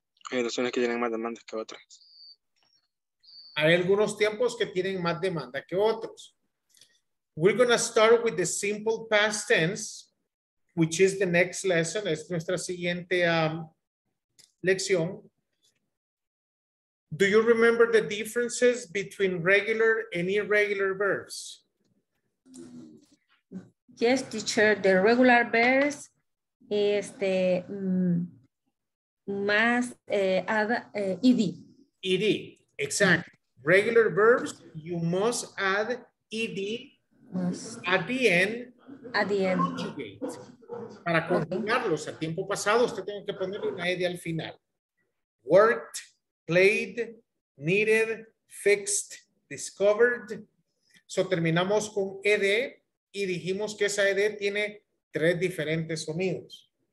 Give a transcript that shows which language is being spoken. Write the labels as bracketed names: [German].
[Spanish] Hay razones que tienen más demandas que otras. Hay algunos tiempos que tienen más demanda que otros. [English] We're going to start with the simple past tense, which is the next lesson. [Spanish] Es nuestra siguiente lección. [English] Do you remember the differences between regular and irregular verbs? Yes, teacher. The regular verbs is the más ed. Ed, exactly. Regular verbs, you must add ed at the end. At the end. [Spanish] Para conjugarlos a tiempo pasado, usted tiene que ponerle una ed al final. [English] Worked, played, needed, fixed, discovered. [Spanish] So terminamos con ed y dijimos que esa ed tiene tres diferentes sonidos.